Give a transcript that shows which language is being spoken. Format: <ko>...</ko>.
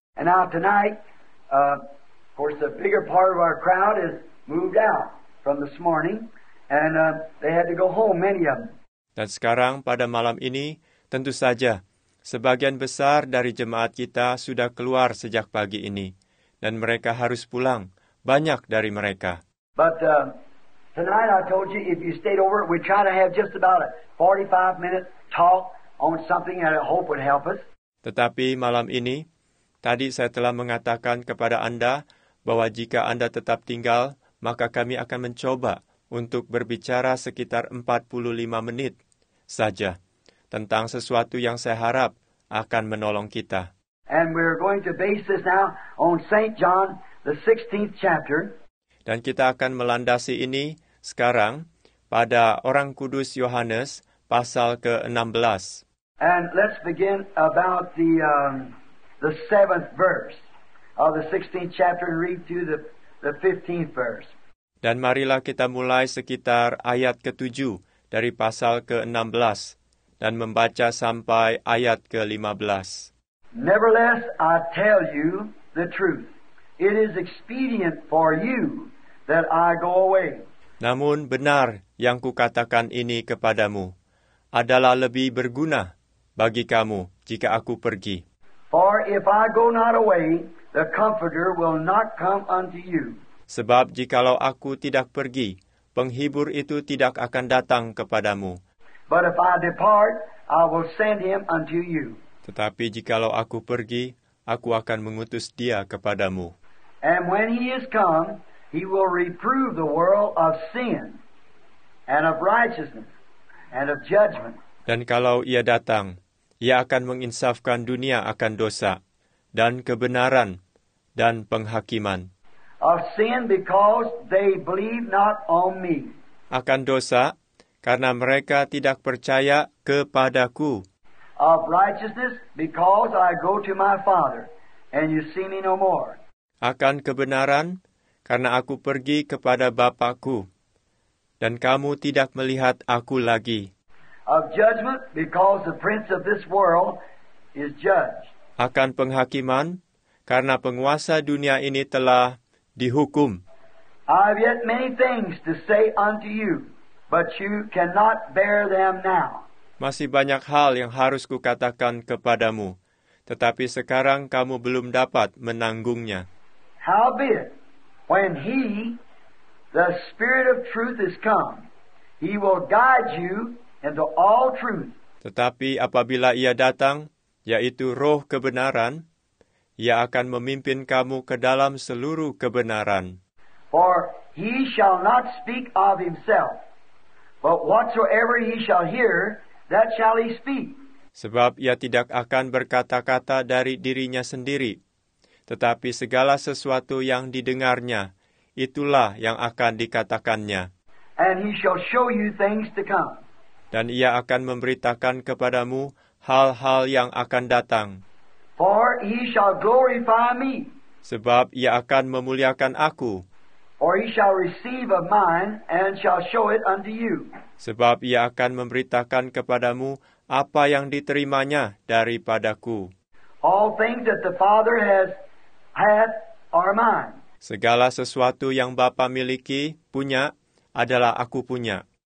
<en>And now tonight, of course, the bigger part of our crowd is moved out from this morning, and they had to go home, many of them.</en> <id>Dan sekarang pada malam ini, tentu saja, sebagian besar dari jemaat kita sudah keluar sejak pagi ini, dan mereka harus pulang, banyak dari mereka.</id> <en>But tonight I told you, if you stayed over, we try to have just about a 45-minute talk on something that I hope would help us.</en> <id>Tetapi malam ini, tadi saya telah mengatakan kepada Anda bahwa jika Anda tetap tinggal, maka kami akan mencoba untuk berbicara sekitar 45 menit saja tentang sesuatu yang saya harap akan menolong kita.</id> <en>And we're going to base this now on St. John, the 16th chapter.</en> <id>Dan kita akan melandasi ini sekarang pada Orang Kudus Yohanes pasal ke-16.</id> <en>And let's begin about the 7th verse of the 16th chapter and read through the 15th verse.</en> <id>Dan marilah kita mulai sekitar ayat ke-7 dari pasal ke-16 dan membaca sampai ayat ke-15.</id> <en>Nevertheless, I tell you the truth. It is expedient for you that I go away.</en> <id>Namun benar yang kukatakan ini kepadamu adalah lebih berguna bagi kamu jika aku pergi.</id> <en>For if I go not away, the Comforter will not come unto you.</en> <id>Sebab jikalau aku tidak pergi, Penghibur itu tidak akan datang kepadamu.</id> <en>But if I depart, I will send him unto you.</en> <id>Tetapi jikalau aku pergi, aku akan mengutus dia kepadamu.</id> <en>And when he is come, he will reprove the world of sin, and of righteousness, and of judgment.</en> <id>Dan kalau ia datang, ia akan menginsafkan dunia akan dosa, dan kebenaran, dan penghakiman.</id> <en>Of sin because they believe not on me.</en> <id>Akan dosa, karena mereka tidak percaya kepadaku.</id> <en>Of righteousness because I go to my Father, and you see me no more.</en> <id>Akan kebenaran, karena aku pergi kepada Bapakku, dan kamu tidak melihat aku lagi.</id> <en>Of judgment, because the prince of this world is judged.</en> <id>Akan penghakiman, karena penguasa dunia ini telah dihukum.</id> <en>I have yet many things to say unto you, but you cannot bear them now.</en> <id>Masih banyak hal yang harus kukatakan kepadamu, tetapi sekarang kamu belum dapat menanggungnya.</id> <en>Howbeit, when he, the Spirit of truth, is come, he will guide you into all truth.</en> <id>Tetapi apabila ia datang, yaitu roh kebenaran, ia akan memimpin kamu ke dalam seluruh kebenaran.</id> <en>For he shall not speak of himself, but whatsoever he shall hear, that shall he speak.</en> <id>Sebab ia tidak akan berkata-kata dari dirinya sendiri, tetapi segala sesuatu yang didengarnya, itulah yang akan dikatakannya.</id> <en>And he shall show you things to come.</en> <id>Dan ia akan memberitakan kepadamu hal-hal yang akan datang.</id> <en>For he shall glorify me.</en> <id>Sebab ia akan memuliakan aku.</id> <en>For he shall receive of mine and shall show it unto you.</en> <id>Sebab ia akan memberitakan kepadamu apa yang diterimanya daripadaku.</id> <en>All things that the Father has had are mine.</en> <id>Segala sesuatu yang Bapa miliki, punya, adalah aku punya.</id>